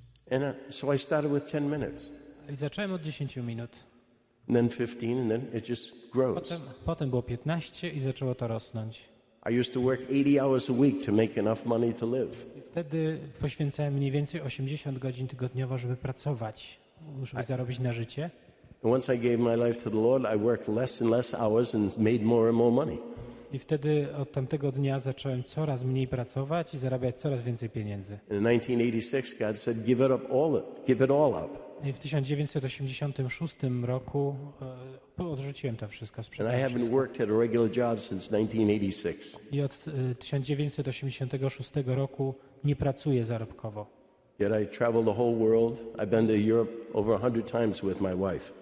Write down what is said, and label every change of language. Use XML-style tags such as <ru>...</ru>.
<en>And so I started with 10 minutes.</en> <pl>I zacząłem od 10 minut.</pl> <en>And then 15, and then it just grows.</en> <pl>Potem było 15 i zaczęło to rosnąć.</pl> <en>I used to work 80 hours a week to make enough money to live.</en> <pl>Wtedy poświęcałem mniej więcej 80 godzin tygodniowo, żeby pracować, żeby zarobić na życie.</pl> <en>Once I gave my life to the Lord, I worked less and less hours and made more and more money.</en> <pl>I wtedy od tamtego dnia zacząłem coraz mniej pracować i zarabiać coraz więcej pieniędzy.</pl> <en>In 1986 God said give it up all, give it all up.</en> <pl>I w 1986 roku odrzuciłem to wszystko, sprzedałem wszystko.</pl> <en>And I haven't worked at a regular job since 1986.</en> <pl>I od 1986 roku nie pracuję zarobkowo.</pl> <en>Yet I travel the whole world. I've been to Europe over 100 times with my wife.</en>